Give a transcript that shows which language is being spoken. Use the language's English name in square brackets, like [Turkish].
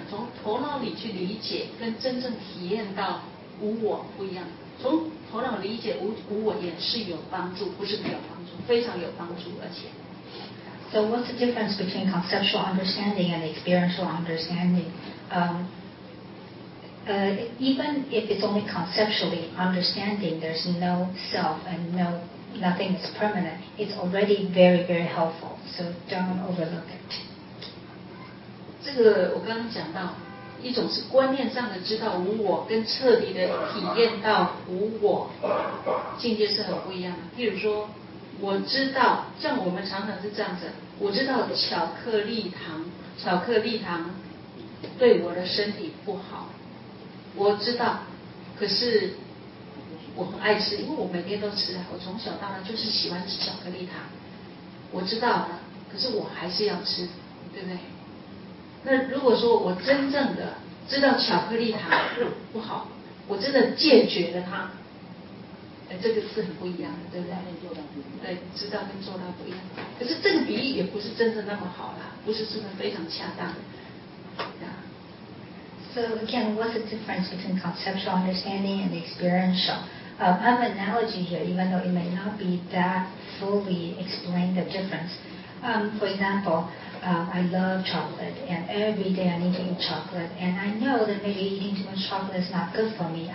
[Chinese] 从头脑里去理解，跟真正体验到无我不一样。从头脑理解无我也是有帮助，不是没有帮助，非常有帮助，而且。 [English] So what's the difference between conceptual understanding and experiential understanding? Even if it's only conceptually understanding there's no self and no, nothing is permanent, it's already very, very helpful. So don't overlook it. [Chinese] 这个我刚刚讲到，一种是观念上的知道无我，跟彻底的体验到无我境界是很不一样的。譬如说，我知道，像我们常常是这样子，我知道巧克力糖，巧克力糖对我的身体不好，我知道，可是我很爱吃，因为我每天都吃，我从小到大就是喜欢吃巧克力糖，我知道了，可是我还是要吃，对不对？那如果说我真正的知道巧克力糖不好，我真的戒绝了它，这个是很不一样的，对不对？对，知道跟做到不一样。可是这个比喻也不是真的那么好啦，不是真的非常恰当的。 [English] So again, what's the difference between conceptual understanding and experiential? I have an analogy here, even though it may not be that fully explained the difference. For example, I love chocolate, and every day I need to eat chocolate, and I know that maybe eating too much chocolate is not good for me.